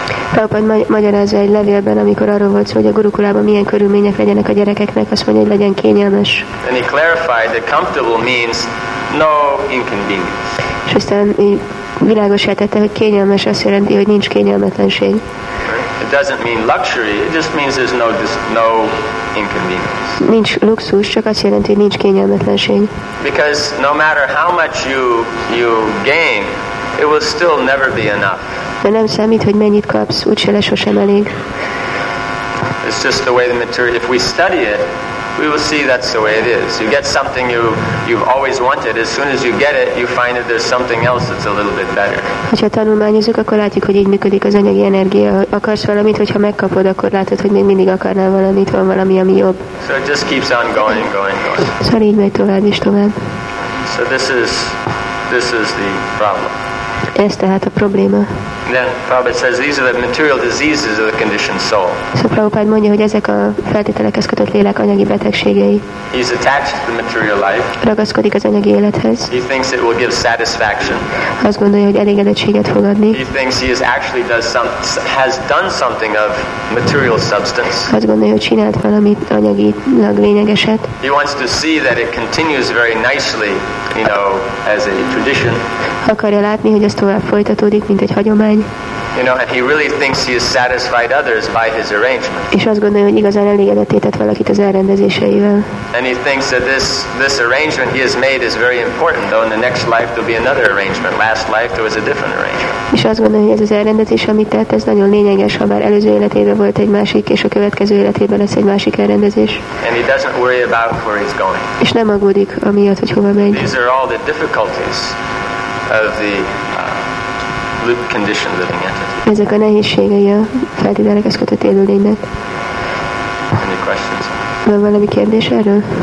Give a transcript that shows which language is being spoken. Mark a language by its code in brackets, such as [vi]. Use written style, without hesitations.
[hu] Prabhupada magyarázza egy levélben, amikor arról volt szó, hogy a gurukulában milyen körülmények legyenek a gyerekeknek, azt mondja, hogy legyen kényelmes. [en] And he clarified that comfortable means no inconvenience. [hu] És aztán világosá tette, hogy kényelmes azt jelenti, hogy nincs kényelmetlenség. [en] It doesn't mean luxury, it just means there's no inconvenience. [hu] Nincs luxus, csak azt jelenti, hogy nincs kényelmetlenség. [en] Because no matter how much you gain, it will still never be enough. [hu] De nem számít, hogy mennyit kapsz, úgyse lesz sosem elég. [en] It's just the way the material, if we study it, we will see that's the way it is. You get something you've always wanted, as soon as you get it, you find that there's something else that's a little bit better. [hu] Hogyha tanulmányozunk, akkor látjuk, hogy így működik az anyagi energia. Akarsz valamit, hogyha megkapod, akkor látod, hogy még mindig akarnál valamit, van valami, ami jobb. [en] So it just keeps on going. [hu] Szóval így megy tovább és tovább. [en] So this is the problem. [hu] Ez tehát a probléma. [en] Then Prabhupada says these are the material diseases of the conditioned soul. [hu] So Prabhupada mondja, hogy ezek a feltételekhez kötött lélek anyagi betegségei. [en] He's attached to the material life. [hu] Ragaszkodik az anyagi élethez. [en] He thinks it will give satisfaction. [hu] Azt gondolja, hogy elégedettséget fog adni. [en] He thinks he has done something of material substance. [hu] Azt gondolja, hogy csinált valamit anyagilag lényegeset. [en] He wants to see that it continues very nicely, you know, as a tradition. [hu] Akarja látni, hogy ez tovább folytatódik, mint egy hagyomány. [en] You know, and he really thinks he has satisfied others by his arrangement. [hu] És azt gondolja, hogy igazán elégedetté tett valakit az elrendezéseivel. [en] And he thinks that this arrangement he has made is very important, though in the next life there'll be another arrangement. Last life there was a different arrangement. [hu] És azt gondolja, hogy ez az elrendezés, amit tett, ez nagyon lényeges, ha bár előző életében volt egy másik, és a következő életében lesz egy másik elrendezés. [en] And he doesn't worry about where he's going. [hu] És nem aggódik amiatt, hogy hova megy. [en] These are all the difficulties of the conditioned living entity. [hu] Ezek a nehézségei a feltételekhez kötött élőlénynek. [en] Any questions? [hu] Van valami kérdés erről?